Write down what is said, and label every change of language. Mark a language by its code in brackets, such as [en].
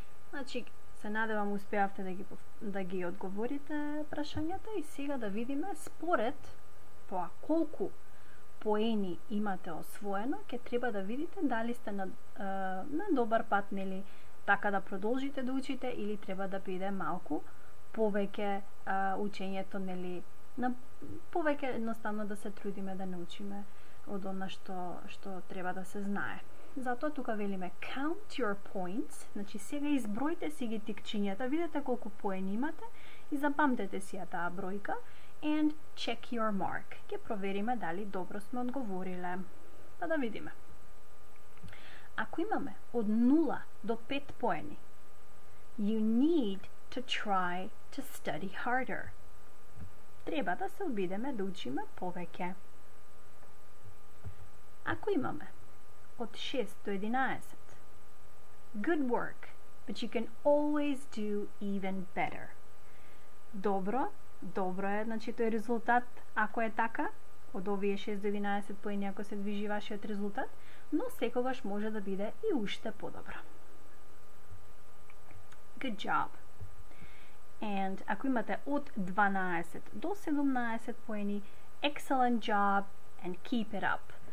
[mk] Значи, се надевам успеавте да ги одговорите прашањата и сега да видиме според тоа колку поени имате освоено, ќе треба да видите дали сте на добар пат, нели, така да продолжите да учите или треба да биде малку повеќе учењето, нели, на повеќе едноставно да се трудиме да научиме од она што треба да се знае. Затоа тука велиме count your points, значи сега избројте си ги тикчињата, видете колку поени имате и запамтете си ја таа бројка. [en] And check your mark. [mk] Ке провериме дали добро сме одговориле. Па да видиме. [en] Ако имаме од 0 до 5 поени, you need to try to study harder. [mk] Треба да се обидеме да учиме повеќе. [en] Ако имаме од 6 до 11, good work, but you can always do even better. [mk] Добро. Добро е, значи тој резултат, ако е така, од овие 6 до 11 поени, ако се движи вашиот резултат, но секогаш може да биде и уште подобро. [en] Good job! And ако имате од 12 до 17 поени, excellent job and keep it up!